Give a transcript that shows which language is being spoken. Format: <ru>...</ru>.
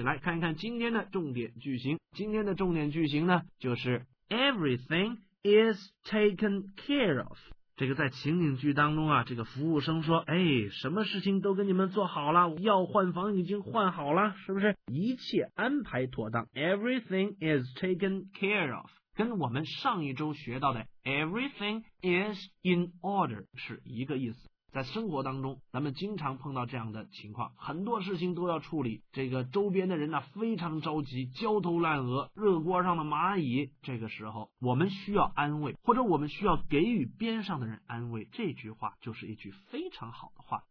<zh>来看一看今天的重点句型。今天的重点句型呢就是</zh> <en>Everything is taken care of。</en> <zh>这个在情景剧当中啊，这个服务生说，哎，什么事情都给你们做好了，要换房已经换好了，是不是？一切安排妥当。</zh> <en>Everything is taken care of</en> <zh>跟我们上一周学到的</zh> <en>Everything is in order</en> <zh>是一个意思。在生活当中咱们经常碰到这样的情况，很多事情都要处理，这个周边的人呢非常着急，焦头烂额，热锅上的蚂蚁。这个时候我们需要安慰，或者我们需要给予边上的人安慰，这句话就是一句非常好的话。</zh>